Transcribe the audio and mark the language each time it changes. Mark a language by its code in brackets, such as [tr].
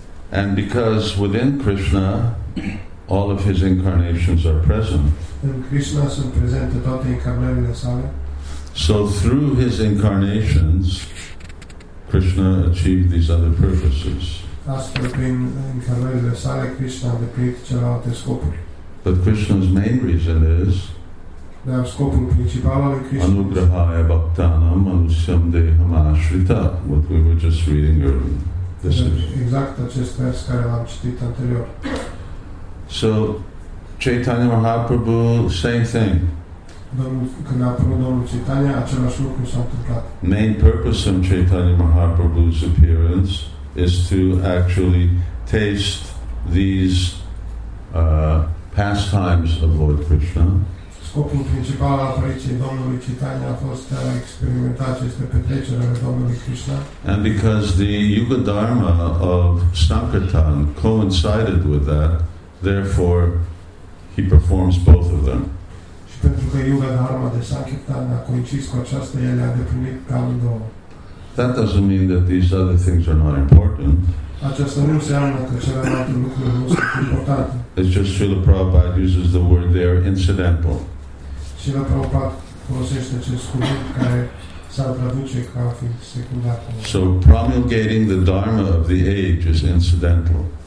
[en] And because within Krishna, all of his incarnations are present. [ro] În Krishna sunt prezente toate incarnările sale. [en] So through his incarnations, Krishna achieved these other purposes. [ro] Astfel, prin incarnările sale, Krishna a îndeplinit celelalte scopuri. [en] But Krishna's main reason is, [ro] dar scopul principal al lui Krishna, [sa] anugrahaya bhaktanam manusyam deham ashrita, [en] what we were just reading earlier. [ro] Exact acest vers care l-am citit anterior. [en] So, Chaitanya Mahaprabhu, same thing. [ro] Când a apărut Domnul Chaitanya, același lucru s-a întâmplat. [en] Main purpose of Chaitanya Mahaprabhu's appearance is to actually taste these pastimes of Lord Krishna. [ro] scopul principal al preciei Domnului Chaitanya a fost a experimenta aceste petreceri ale Domnului Krishna. [en] And because the Yuga Dharma of Sankirtan coincided with that, therefore he performs both of them. [ro] Și pentru că Yuga Dharma de Sankirtan a coincis cu aceasta, el a deprimit pe amândouă. [en] That doesn't mean that these other things are not important. [ro] Aceasta nu înseamnă că celelalte lucruri nu sunt importante. [en] It's just Srila Prabhupada uses the word there, incidental. [ro] Srila Prabhupada folosește acest cuvânt care s-ar traduce ca fiind secundar. [en] So promulgating the dharma of the age is incidental.